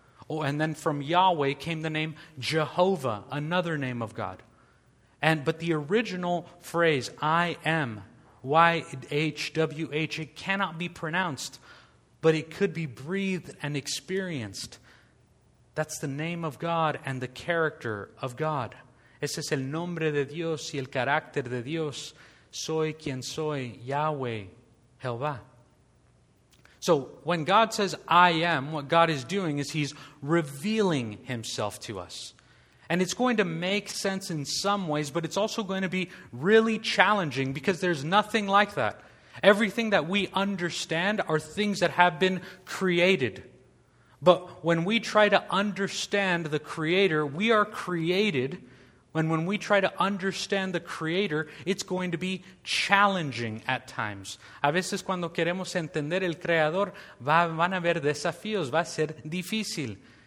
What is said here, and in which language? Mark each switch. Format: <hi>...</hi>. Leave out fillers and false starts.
<en>Oh, and then from Yahweh came the name Jehovah, another name of God. But the original phrase, I am, YHWH, it cannot be pronounced, but it could be breathed and experienced. That's the name of God and the character of God.</en> <es>Ese es el nombre de Dios y el carácter de Dios. Soy quien soy, Yahweh, Jehová.</es> <en>So when God says, I am, what God is doing is he's revealing himself to us. And it's going to make sense in some ways, but it's also going to be really challenging because there's nothing like that. Everything that we understand are things that have been created. But when we try to understand the Creator, we are created. And when we try to understand the Creator, it's going to be challenging at times.</en> <es>A veces cuando queremos entender el Creador, van a haber desafíos, va a ser difícil.</es>